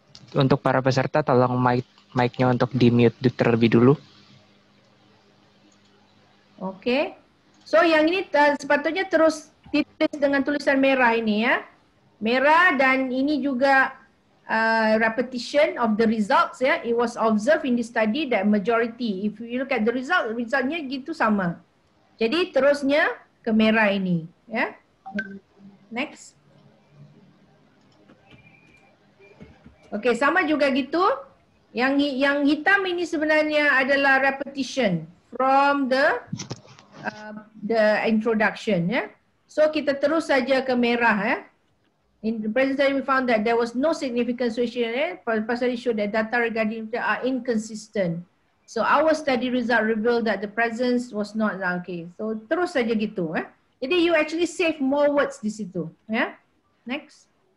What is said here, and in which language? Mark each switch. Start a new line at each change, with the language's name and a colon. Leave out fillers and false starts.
Indonesian: Untuk para peserta, tolong mic-nya untuk di-mute terlebih dulu. Oke.
Malay: Okay. So, yang ini sepatutnya terus ditulis dengan tulisan merah ini, ya. Merah, dan ini juga
English: repetition of the results,
Malay: ya.
English: It was observed in the study that majority. If you look at the result,
Malay: resultnya gitu sama. Jadi, terusnya ke merah ini, ya. Next. Okay, sama juga gitu. Yang hitam ini sebenarnya adalah
English: repetition from the introduction,
Malay: ya. Yeah. So kita terus saja ke merah, ya.
English: Yeah. In the presentation we found that there was no significant association, ya. Pasal issue that data regarding data are inconsistent. So our study result revealed that the presence was not okay.
Malay: So terus saja gitu, ya. Yeah. Jadi
English: you actually save more words
Malay: di situ, ya. Yeah. Next.